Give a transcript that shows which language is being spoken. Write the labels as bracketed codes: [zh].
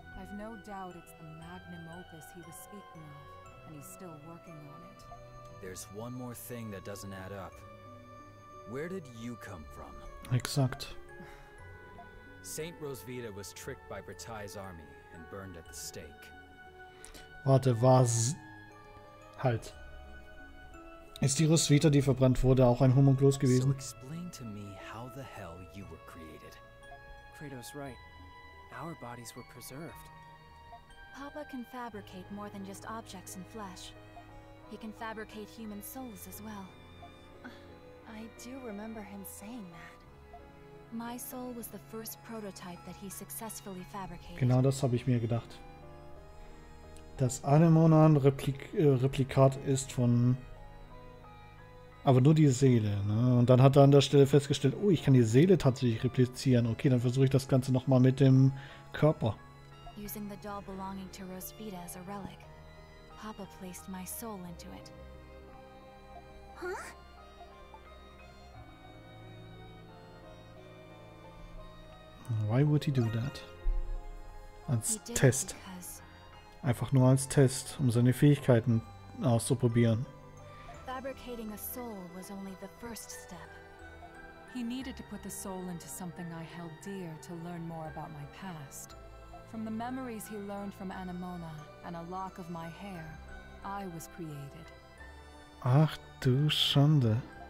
[en] I've no doubt it's the magnum opus he was speaking of, and he's still working on it. There's one more thing that doesn't add up. Where did you come from? Exact. Saint Rosvita was tricked by Bretai's army and burned at the stake. [de] Warte, was? Halt. Ist die Rosvita, die verbrannt wurde, auch ein Homunculus gewesen? [en] So explain to me how the hell you were created. Kratos right. Our bodies were preserved. Papa can fabricate more than just objects and flesh. He can fabricate human souls as well. I do remember him saying that. My soul was the first prototype that he successfully fabricated. [de] Genau das habe ich mir gedacht. Das Anemonan Replikat ist von... Aber nur die Seele, ne? Und dann hat er an der Stelle festgestellt, oh, ich kann die Seele tatsächlich replizieren. Okay, dann versuche ich das Ganze nochmal mit dem Körper. [en] Using the doll belonging to Rosvita as a relic, Papa placed my soul into it. Huh? Why would he do that? [de] Als Test. Einfach nur als Test, um seine Fähigkeiten auszuprobieren. [en] Fabricating a soul was only the first step. He needed to put the soul into something I held dear to learn more about my past. From the memories he learned from Anemona and a lock of my hair, I was created. [de] Ach du Schande.